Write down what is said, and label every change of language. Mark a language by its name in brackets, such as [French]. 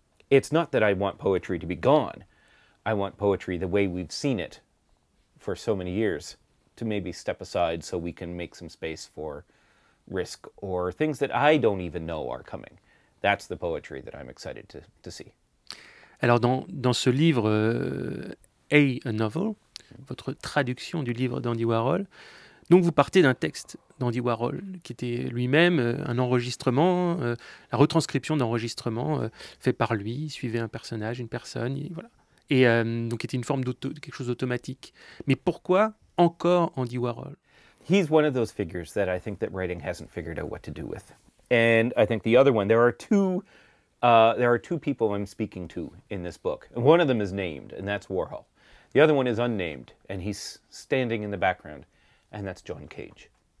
[English] It's not that I want poetry to be gone. I want poetry the way we've seen it for so many years to maybe step aside so we can make some space for risk or things that I don't even know are coming. That's the poetry that I'm excited to see. [French] Alors, dans ce livre A Novel, votre traduction du livre d'Andy Warhol, donc vous partez d'un texte d'Andy Warhol, qui était lui-même un enregistrement, la retranscription d'enregistrement fait par lui, suivait un personnage, une personne, et voilà. Et donc, était une forme de quelque chose d'automatique. Mais pourquoi encore Andy Warhol? [English] He's one of those figures that I think that writing hasn't figured out what to do with. And I think the other one, there are two people I'm speaking to in this book. One of them is named, and that's Warhol. The other one is unnamed, and he's standing in the background, and that's John Cage.